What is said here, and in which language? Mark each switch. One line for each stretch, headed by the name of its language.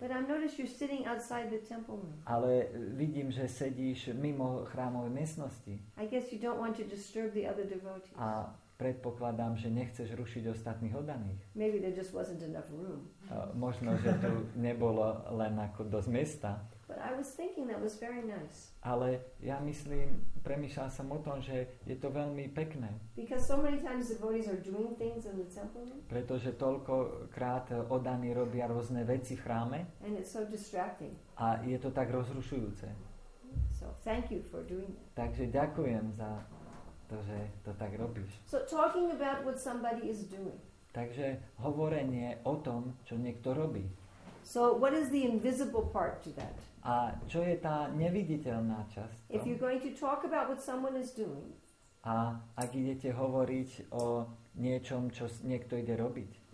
English: But I notice you're sitting outside the temple room.
Slovak: Ale vidím, že sedíš mimo chrámovej miestnosti.
English: I guess you don't want to disturb the other devotees.
Slovak: A predpokladám, že nechceš rušiť ostatných oddaných.
English: Maybe there just wasn't enough room.
Slovak: Možno, že tu nebolo len ako dosť miesta.
English: But I was thinking that was very nice.
Slovak: Ale ja myslím, premýšľal som o tom, že je to veľmi pekné.
English: Because so many times devotees are doing things in the temple room.
Slovak: Pretože toľkokrát oddaní robia rôzne veci v chráme.
English: And it's so distracting.
Slovak: A je to tak rozrušujúce.
English: So thank you for doing that.
Slovak: Takže ďakujem za to, že to tak robíš.
English: So talking about what somebody is doing.
Slovak: Takže hovorenie o tom, čo niekto robí.
English: So what is the invisible part to that?
Slovak: A čo je tá neviditeľná časť?
English: If you're going to talk about what someone is doing.
Slovak: A ak idete hovoriť o niečom, čo niekto ide robiť.